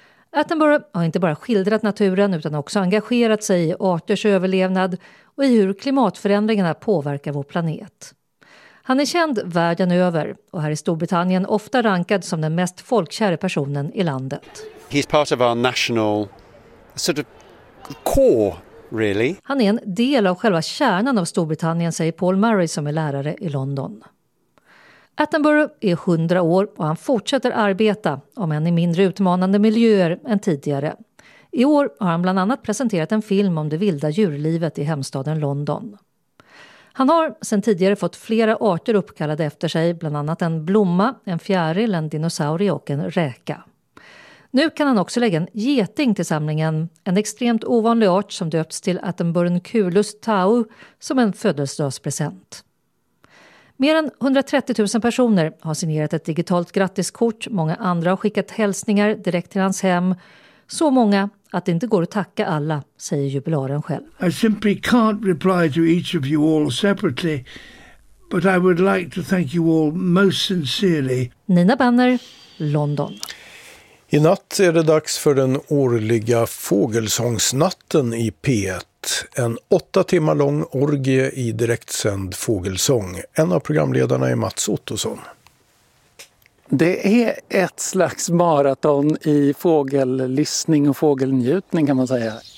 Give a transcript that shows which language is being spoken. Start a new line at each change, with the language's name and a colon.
Swedish: Attenborough har inte bara skildrat naturen utan också engagerat sig i arters överlevnad och i hur klimatförändringarna påverkar vår planet. Han är känd världen över och här i Storbritannien ofta rankad som den mest folkkära personen i landet.
English: He's part of our national sort of core, really.
Swedish: Han är en del av själva kärnan av Storbritannien, säger Paul Murray som är lärare i London. Attenborough är 100 år och han fortsätter arbeta, om än i mindre utmanande miljöer än tidigare. I år har han bland annat presenterat en film om det vilda djurlivet i hemstaden London. Han har sedan tidigare fått flera arter uppkallade efter sig, bland annat en blomma, en fjäril, en dinosaurie och en räka. Nu kan han också lägga en geting till samlingen, en extremt ovanlig art som döpts till Attenborough tau, som en födelsedagspresent. Mer än 130 000 personer har signerat ett digitalt grattiskort, många andra har skickat hälsningar direkt till hans hem. Så många att det inte går att tacka alla, säger jubilaren själv.
English: I simply can't reply to each of you all separately, but I would like to thank you all most sincerely.
Swedish: Nina Banner, London. I natt är det dags för den årliga fågelsångsnatten i P1. En 8 timmar lång orgie i direktsänd fågelsång. En av programledarna är Mats Ottosson. Det är ett slags maraton i fågellyssning och fågelnjutning kan man säga.